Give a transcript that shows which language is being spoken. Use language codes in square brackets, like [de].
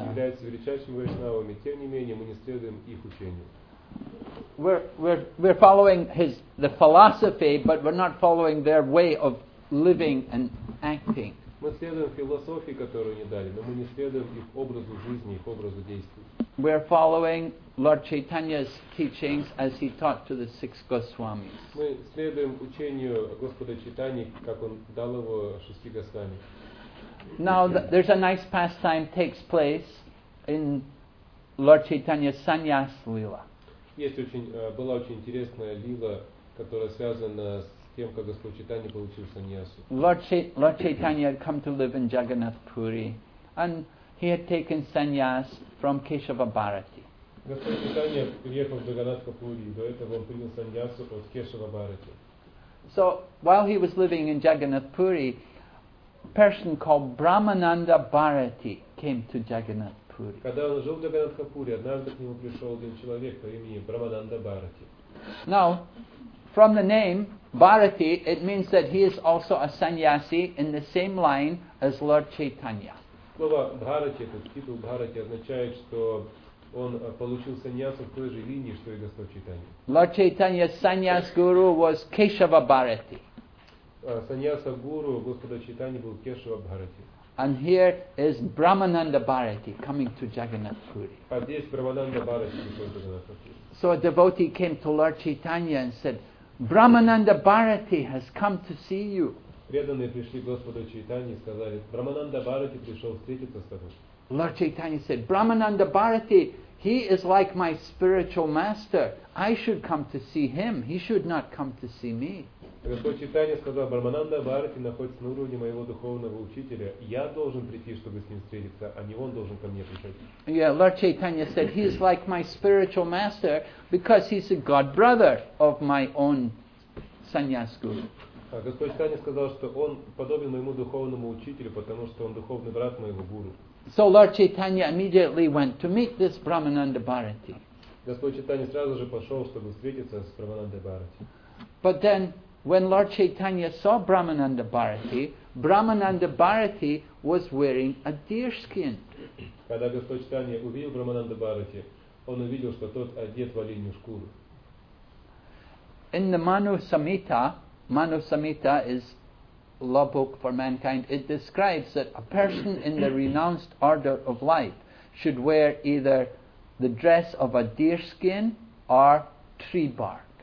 [ru] являются величайшими вайшнавами, тем не менее мы не следуем их учению. [en] We're following his the philosophy, but we're not following their way of living and acting. [ru] Мы следуем философии, которую они дали, но мы не следуем их образу жизни, их образу действий. [en] We are following Lord Chaitanya's teachings as he taught to the six Goswamis. [ru] Мы следуем учению Господа Чайтаньи, как он дал его шести Госвами. [en] Now there's a nice pastime takes place in Lord Chaitanya's Sannyas Lila. [ru] Есть очень была очень интересная лила, которая связана с тем, как Господь Чайтанья получил саньясу. [en] Lord Chaitanya had come to live in Jagannath Puri, and he had taken sannyas from Keshava Bharati. [ru] Господь Чайтанья приехал в Джаганнатх Пури, и до этого он принял саньясу от Кешава Бхарати. [en] So while he was living in Jagannath Puri, a person called Brahmananda Bharati came to Jagannath Puri. [ru] Когда он жил в Джаганнатх Пури, однажды к нему пришел один человек по имени Брамананда Бхарати. [en] Now, from the name Bharati, it means that he is also a sannyasi in the same line as Lord Chaitanya. [ru] Слово Бхарати, этот титул Бхарати, означает, что он получил саньясу в той же линии, что и Господь Чайтанья. [en] Lord Chaitanya's sannyas guru was Keshava Bharati. [ru] Саньяса гуру Господа Чайтаньи был Кешава Бхарати. [en] And here is Brahmananda Bharati coming to Jagannath Puri. [ru] А здесь Брамананда Бхарати пришел в Джаганнат Пури. [en] So a devotee came to Lord Chaitanya and said, Brahmananda Bharati has come to see you. [ru] Преданные пришли к Господу Чайтанье и сказали, Брамананда Бхарати пришел встретиться с тобой. [en] Lord Chaitanya said, Brahmananda Bharati, he is like my spiritual master. I should come to see him. He should not come to see me. [ru] Господь Чайтанья сказал, Брамананда Бхарати находится на уровне моего духовного учителя. Я должен прийти, чтобы с ним встретиться, а не он должен ко мне приходить. [en] Yeah, Lord Chaitanya said, he is like my spiritual master because he's a god brother of my own sannyas guru. [ru] Господь Чайтанья сказал, что он подобен моему духовному учителю, потому что он духовный брат моего гуру. [en] So Lord Chaitanya immediately went to meet this Brahmananda Bharati. [ru] Господь Чайтанья сразу же пошел, чтобы встретиться с Брамананда Бхарати. [en] But then, when Lord Chaitanya saw Brahmananda Bharati, Brahmananda Bharati was wearing a deer skin. [ru] Когда Господь Чайтанья увидел Брамананда Бхарати, он увидел, что тот одет в оленью шкуру. [en] In the Manu Samhita is law book for mankind, it describes that a person in the renounced order of life should wear either the dress of a deer skin or tree bark.